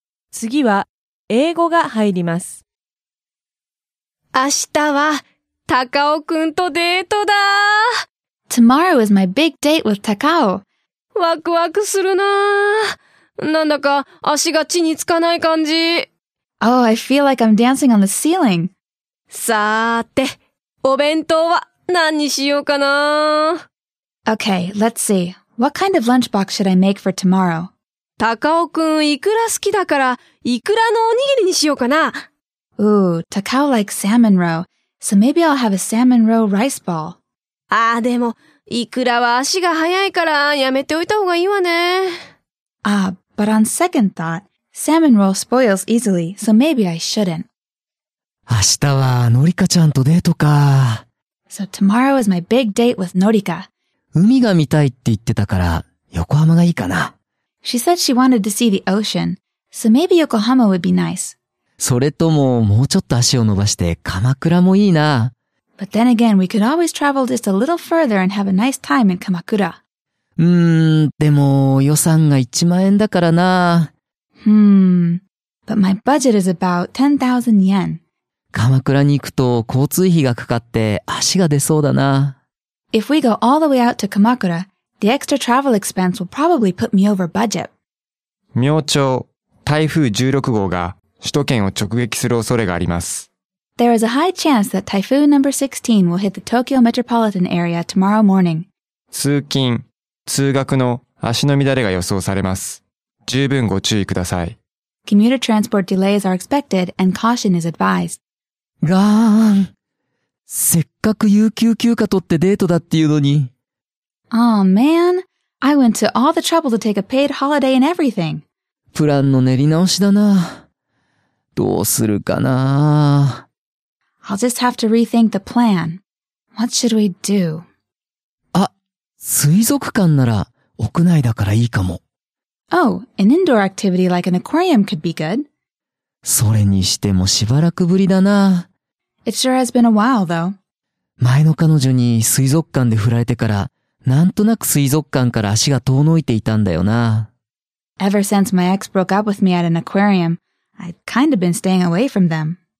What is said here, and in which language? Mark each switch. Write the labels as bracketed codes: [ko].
[ja] 次は英語が入ります。明日は高尾くんとデートだ。 [en] Tomorrow is my big date with Takao. [ja] ワクワクするな。なんだか足が地につかない感じ。 [en] Oh, I feel like I'm dancing on the ceiling. [ja] さーて、お弁当は何にしようかな。 [en] Okay, let's see. What kind of lunchbox should I make for tomorrow? [ja] Takao-kun, イクラ好きだから、イクラのおにぎりにしようかな。 [en] Ooh, Takao likes salmon roe, so maybe I'll have a salmon roe rice ball. [ja] ああ、でも、イクラは足が速いからやめておいた方がいいわね。 [en] Ah, but on second thought, salmon roe spoils easily, so maybe I shouldn't. [ja] 明日はのりかちゃんとデートか。 [en] So tomorrow is my big date with Norika. [ja] 海が見たいって言ってたから横浜がいいかな。 [en] She said she wanted to see the ocean, so maybe Yokohama would be nice. [ja] それとももうちょっと足を伸ばして鎌倉もいいな。 [en] But then again, we could always travel just a little further and have a nice time in Kamakura. [ja] でも予算が1万円だからな。 [en] But my budget is about 10,000 yen. [ja] 鎌倉に行くと交通費がかかって足が出そうだな。 [en] If we go all the way out to Kamakura, the extra travel expense will probably put me over budget. [ja] 明朝、台風16号が首都圏を直撃する恐れがあります。 [en] There is a high chance that Typhoon No. 16 will hit the Tokyo metropolitan area tomorrow morning. [ja] 通勤、通学の足の乱れが予想されます。十分ご注意ください。 [en] Commuter transport delays are expected and caution is advised. [ja] ガーン。せっかく有給休暇取ってデートだっていうのに。 [en] Aw, man. I went to all the trouble to take a paid holiday and everything. [ja] プランの練り直しだな。どうするかな。 [en] I'll just have to rethink the plan. What should we do? [ja] あ、水族館なら屋内だからいいかも。 [en] Oh, an indoor activity like an aquarium could be good. [ja] それにしてもしばらくぶりだな。 [en] It sure has been a while, though. [ja] 前の彼女に水族館で振られてから、なんとなく水族館から足が遠のいていたんだよな。 [en] Ever since my ex broke up with me at an aquarium, I've kind of been staying away from them.